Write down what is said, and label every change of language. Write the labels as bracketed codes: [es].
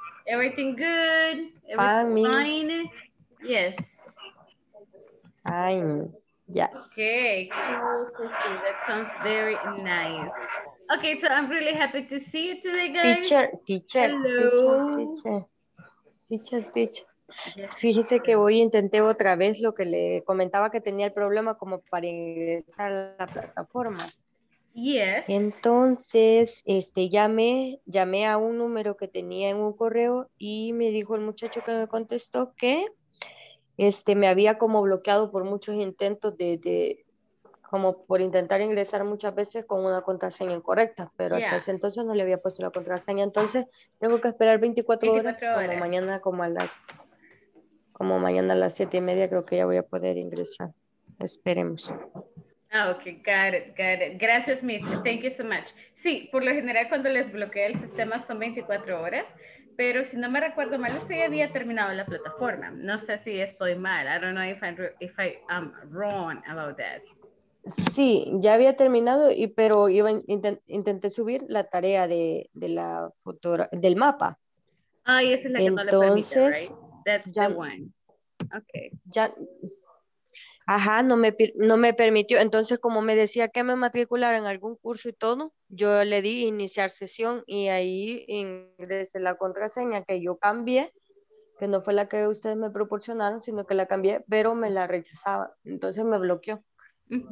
[en] Everything good? Everything fine? Yes. Fine. Yes. Okay, cool, cool, cool. That sounds very nice. Okay, so I'm really happy to see you today, guys. Teacher, teacher. Hello. Teacher. [es] Fíjese que hoy intenté otra vez lo que le comentaba que tenía el problema como para ingresar a la plataforma. [en] Yes. [es] Entonces, llamé a un número que tenía en un correo y me dijo el muchacho que me contestó que me había como bloqueado por muchos intentos de como por intentar ingresar muchas veces con una contraseña incorrecta, pero hasta ese entonces no le había puesto la contraseña, entonces tengo que esperar 24 horas. Como mañana como mañana a las 7:30 creo que ya voy a poder ingresar, esperemos. [en] Ah, okay, got it. Gracias, Miss. Thank you so much. [es] Sí, por lo general cuando les bloquea el sistema son 24 horas, pero si no me recuerdo mal, usted ya había terminado la plataforma. No sé si estoy mal. [en] I don't know if I'm wrong about that. [es] Sí, ya había terminado, pero intenté subir la tarea del mapa. Ah, y esa es la que entonces, no le permite, [en] right? That's the one. Okay. [es] Ya. Ajá, no me permitió. Entonces, como me decía que me matriculara en algún curso y todo, yo le di iniciar sesión y ahí ingresé la contraseña que yo cambié, que no fue la que ustedes me proporcionaron, sino que la cambié, pero me la rechazaba. Entonces me bloqueó. Uh-huh.